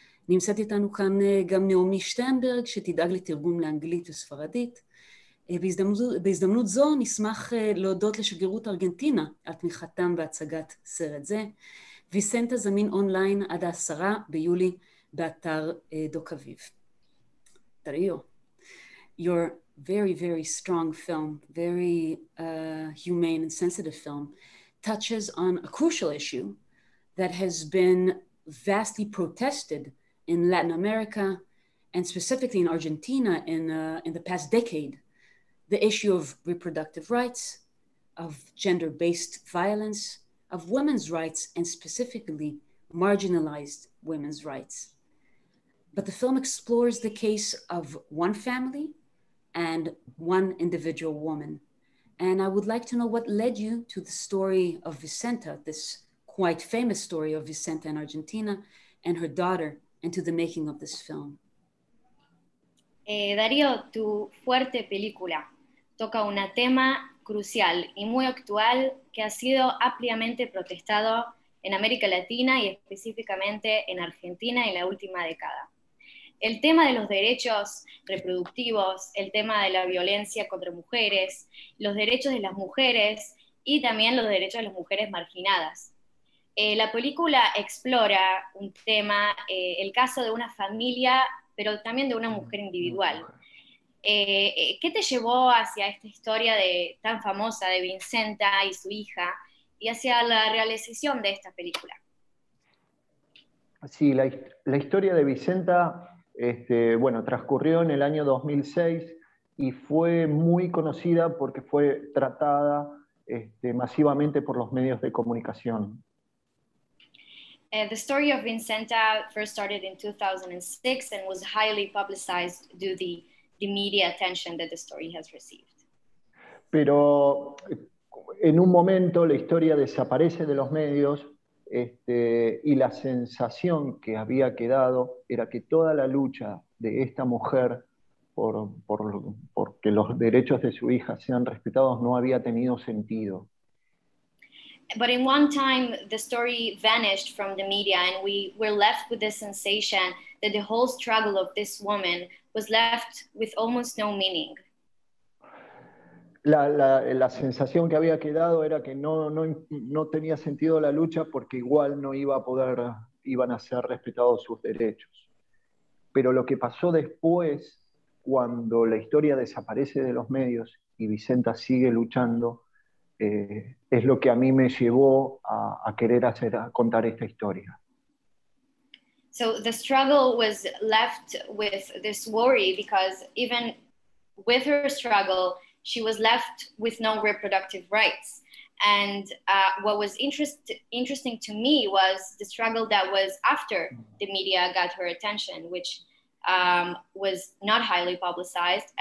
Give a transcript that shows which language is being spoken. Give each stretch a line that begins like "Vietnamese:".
Hebrew: נמצאת איתנו כאן גם נעמי שטיינברג, שתדאג לתרגום לאנגלית וספרדית. בהזדמנות זו נשמח להודות לשגרירות ארגנטינה על תמיכתם בהצגת סרט זה. ויסנטה זמין אונליין עד העשרה ביולי באתר דוק אביב.
English: דריו, your very, very strong film, very humane and sensitive film, touches on a crucial issue that has been vastly protested in Latin America and specifically in Argentina in the past decade, the issue of reproductive rights, of gender-based violence, of women's rights, and specifically marginalized women's rights. But the film explores the case of one family and one individual woman. And I would like to know what led you to the story of Vicenta, this quite famous story of Vicenta in Argentina and her daughter, and to the making of this film.
Spanish: Darío, tu fuerte película toca un tema crucial y muy actual que ha sido ampliamente protestado en América Latina y específicamente en Argentina en la última década. El tema de los derechos reproductivos, el tema de la violencia contra mujeres, los derechos de las mujeres y también los derechos de las mujeres marginadas. La película explora un tema, el caso de una familia, pero también de una mujer individual. ¿Qué te llevó hacia esta historia de, tan famosa de Vicenta y su hija y hacia la realización de esta película? Sí, la historia de Vicenta bueno, transcurrió en el año 2006 y fue muy conocida porque fue tratada masivamente por los medios de comunicación.
English: The story of Vicenta first started in 2006 and was highly publicized due to the media attention that the story has received.
Spanish: Pero en un momento la historia desaparece de los medios y la sensación que había quedado era que toda la lucha de esta mujer porque los derechos de su hija sean respetados no había tenido sentido.
English: But in one time, the story vanished from the media and we were left with the sensation that the whole struggle of this woman was left with almost no meaning.
Spanish: La sensación que había quedado era que no tenía sentido la lucha porque igual no iba a poder, iban a ser respetados sus derechos. Pero lo que pasó después, cuando la historia desaparece de los medios y Vicenta sigue luchando, es lo que a mí me llevó a querer hacer, a contar esta historia.
English: So the struggle was left with this worry because even with her struggle, she was left with no reproductive rights. And what was interesting to me was the struggle that was after the media got her attention, which was not highly publicized.